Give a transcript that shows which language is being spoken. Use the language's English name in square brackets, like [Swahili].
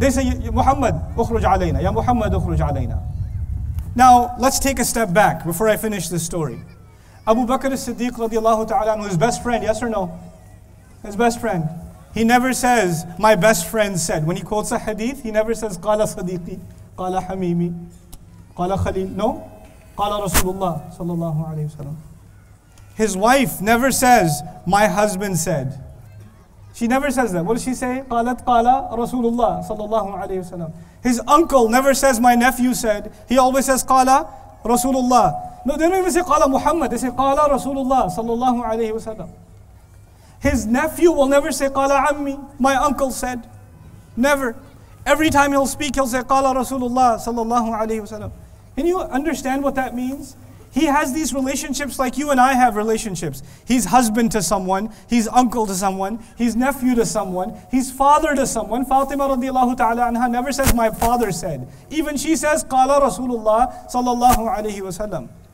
[English] They say, Muhammad, [Arabic] ukhruj alayna. Ya Muhammad, ukhruj alayna. [English] Now, let's take a step back before I finish this story. Abu Bakr as-Siddiq [Arabic] radiallahu ta'ala, [English] his best friend, yes or no? His best friend. He never says, my best friend said. When he quotes a hadith, he never says, [Arabic] qala sadiqi, قال حميمي قال خليل [English] نو [Arabic] قال رسول الله صلى الله عليه وسلم. [English] His wife never says, my husband said. She never says that. What does she say? [Arabic] قالت قال رسول الله صلى الله عليه وسلم. [English] His uncle never says, my nephew said. He always says, [Arabic] قال رسول الله. [English] No, they don't even say, [Arabic] قال محمد. [English] They say, [Arabic] قال رسول الله صلى الله عليه وسلم. [English] His nephew will never say, [Arabic] قال عمي. [English] My uncle said. Never. Every time he'll speak, he'll say, [Arabic] قال رسول الله صلى الله عليه وسلم. [English] Can you understand what that means? He has these relationships like you and I have relationships. He's husband to someone, he's uncle to someone, he's nephew to someone, he's father to someone. Fatima [Arabic] radiallahu ta'ala anha [English] never says, my father said. Even she says, [Arabic] qala rasulullah sallallahu alayhi wa sallam.